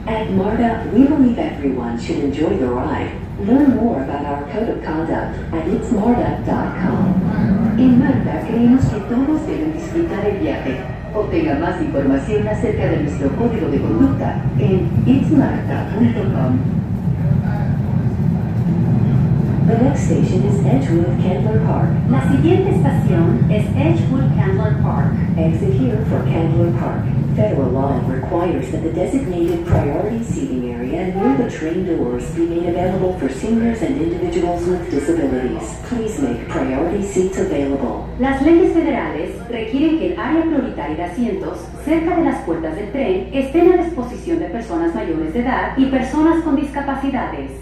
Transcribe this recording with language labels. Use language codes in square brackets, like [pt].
[en] MARTA, we believe everyone should enjoy the ride. Learn more about our code of conduct at itsmarta.com. [es] En MARTA, creemos que todos deben disfrutar el viaje. Obtenga más información acerca de nuestro código de conducta en itsmarta.com. [en] The next station is Edgewood Candler Park. [es] La siguiente estación es Edgewood Candler Park. [en] Exit here for Candler Park. Federal law requires that the designated priority seating area near the train doors be made available for seniors and individuals with disabilities. Please make priority seats available. [es] Las leyes federales requieren que el área prioritaria de asientos cerca de las puertas del tren estén a disposición de personas mayores de edad y personas con discapacidades.